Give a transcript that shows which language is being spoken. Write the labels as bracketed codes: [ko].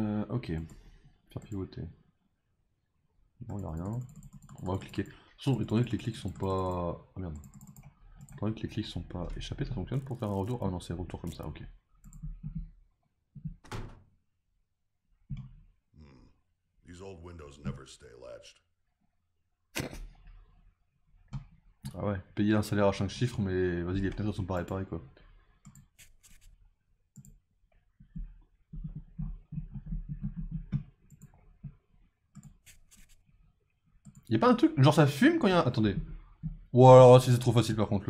[fr] Ok. Faire pivoter. Bon, il n'y a rien. on va cliquer. Sauf étant donné que les clics sont pas. Ah merde. Étant donné que les clics sont pas échappés, ça fonctionne pour faire un retour. Ah non, c'est retour comme ça, ok. [en] These old windows never stay latched. [fr] Ah ouais, payer un salaire à 5 chiffres, mais vas-y, les fenêtres sont pas réparées quoi. Y'a pas un truc, genre ça fume quand y'a un. Attendez. Ou alors si c'est trop facile par contre.